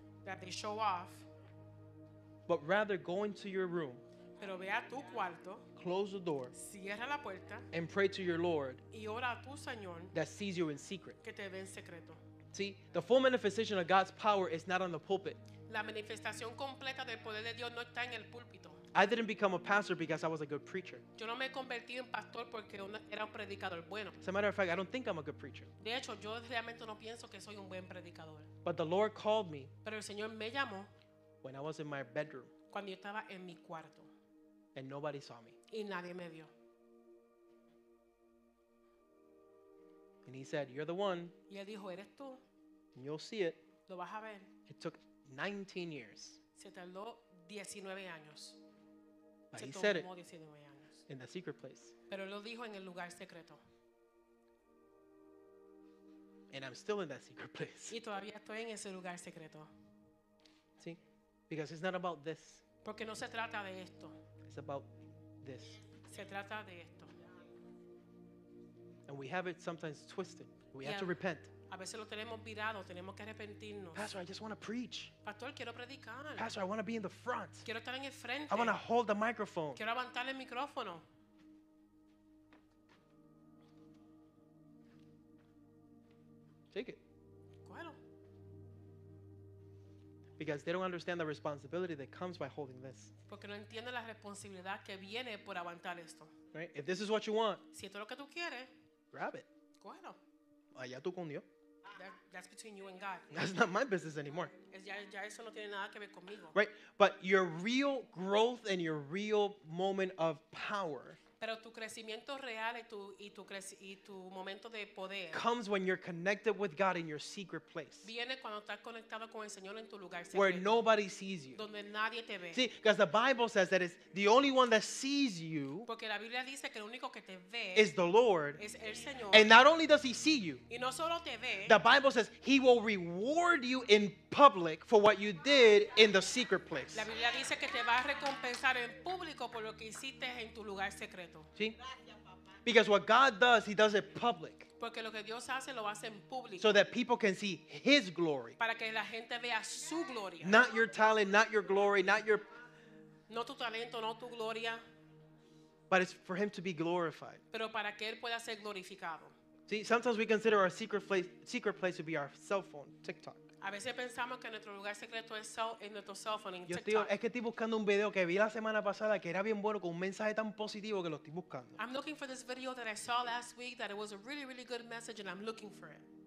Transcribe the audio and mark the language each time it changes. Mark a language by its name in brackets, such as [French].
[English] that they show off, but rather go into your room, [Spanish] pero ve a tu cuarto, [English] close the door, [Spanish] cierra la puerta, [English] and pray to your Lord, [Spanish] y ora a tu Señor, [English] that sees you in secret, [Spanish] que te ve en secreto. [English] See, the full manifestation of God's power is not on the pulpit. [Spanish] La manifestación completa del poder de Dios no está en el púlpito. [English] I didn't become a pastor because I was a good preacher. [Spanish] Yo no me he convertido en pastor porque era un predicador bueno. [English] As a matter of fact, I don't think I'm a good preacher. [Spanish] De hecho, yo realmente no pienso que soy un buen predicador. [English] But the Lord called me. [Spanish] Pero el Señor me llamó. [English] When I was in my bedroom. [Spanish] Cuando yo estaba en mi cuarto. [English] And nobody saw me. [Spanish] Y nadie me vio. [English] And he said, "You're the one." [Spanish] Y él dijo, "Eres tú." [English] And you'll see it. [Spanish] Lo vas a ver. [English] It took 19 years. [Spanish] Se tardó 19 años. [English] But he said it in the secret place. [Spanish] Pero lo dijo en el lugar secreto. [English] And I'm still in that secret place. [Spanish] Y todavía estoy en ese lugar secreto. [English] See? Because it's not about this. [Spanish] Porque no se trata de esto. [English] It's about this. [Spanish] Se trata de esto. [English] And we have it sometimes twisted. We have to repent. [Spanish] A veces lo tenemos virado, tenemos que arrepentirnos. [English] Pastor, I just want to preach. [Spanish] Pastor, quiero predicar. [English] Pastor, I want to be in the front. [Spanish] Quiero estar en el frente. [English] I want to hold the microphone. [Spanish] Quiero levantar el micrófono. [English] Take it. [Spanish] Cógelo. [English] Because they don't understand the responsibility that comes by holding this. [Spanish] Porque no entienden la responsabilidad que viene por aguantar esto. [English] Right? If this is what you want, [Spanish] si esto es lo que tú quieres, [English] grab it. [Spanish] Cógelo. Allá tú con Dios. [English] That's between you and God. That's not my business anymore. [Spanish] Ya eso no tiene nada que ver conmigo. [English] Right, but your real growth and your real moment of power. [Spanish] Pero tu crecimiento real y tu momento de poder. [English] Comes when you're connected with God in your secret place. [Spanish] Viene cuando estás conectado con el Señor en tu lugar secreto. [English] Where nobody sees you. [Spanish] Donde nadie te ve. [English] See, because the Bible says that it's the only one that sees you. [Spanish] Porque la Biblia dice que el único que te ve. [English] Is the Lord. [Spanish] Es el Señor. [English] And not only does he see you. [Spanish] Y no solo te ve. [English] The Bible says he will reward you in public for what you did in the secret place. [Spanish] La Biblia dice que te va a recompensar en público por lo que hiciste en tu lugar secreto. [English] See? Because what God does, he does it public. [Spanish] Porque lo que Dios hace, lo hace en público. [English] So that people can see his glory. [Spanish] Para que la gente vea su gloria. [English] Not your talent, not your glory, not your... [Spanish] No tu talento, no tu gloria. [English] But it's for him to be glorified. [Spanish] Pero para que él pueda ser glorificado. [English] See, sometimes we consider our secret place to be our cell phone, TikTok. [Spanish] A veces pensamos que nuestro lugar secreto es nuestro cell phone, TikTok. Yo estoy buscando un video que vi la semana pasada que era bien bueno con un mensaje tan positivo que lo estoy buscando. [English] I'm looking for this video that I saw last week that it was a really, really good message and I'm looking for it.